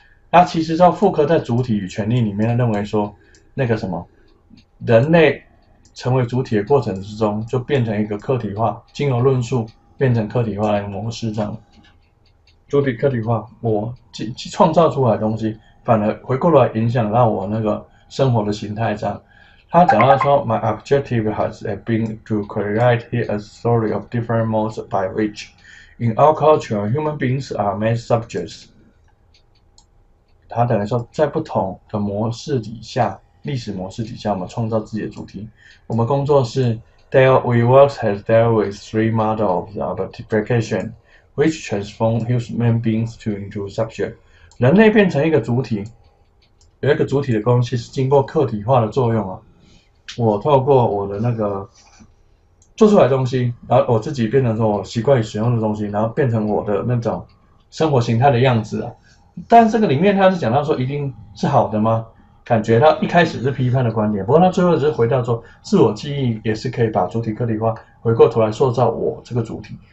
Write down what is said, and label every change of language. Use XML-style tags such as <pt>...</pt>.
<zh>那其实到傅科在主体与权利里面认为说，那个什么，人类成为主体的过程之中，就变成一个客体化，经由论述变成客体化的模式，这样主体客体化，我创造出来的东西，反而回过来影响到我那个生活的形态这样。他讲到说</zh> <en>，My objective has been to create a story of different modes by which, in our culture, human beings are made subjects。</en> <zh>他等于说，在不同的模式底下，历史模式底下，我们创造自己的主题。我们工作是</zh> <en>，We work has dealt with three models of objectification, which transform human beings to into subject。</en> <zh>人类变成一个主体，有一个主体的东西是经过客体化的作用啊。我透过我的那个做出来的东西，然后我自己变成说我习惯使用的东西，然后变成我的那种生活形态的样子啊。但这个里面他是讲到说一定是好的吗？感觉他一开始是批判的观点，不过他最后只是回到说自我记忆也是可以把主体个体化，回过头来塑造我这个主体。</zh>